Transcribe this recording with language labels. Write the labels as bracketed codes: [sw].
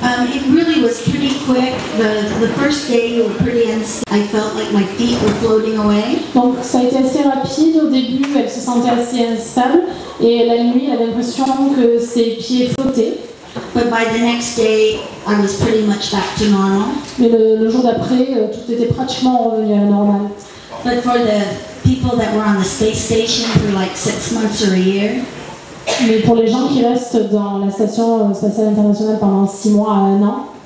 [en] It really was pretty quick. The first day you were pretty unsteady. I felt like my feet were floating away. [fr] Donc ça a été assez rapide. Au début, elle se sentait assez instable, et la nuit, elle avait l'impression que ses pieds flottaient. [en] But by the next day, I was pretty much back to normal. [fr] Mais le jour d'après, tout était pratiquement revenu à la normale. [en] But for the people that were on the space station for like 6 months or a year. [fr] Mais pour les gens qui restent dans la station spatiale internationale pendant 6 mois à 1 an,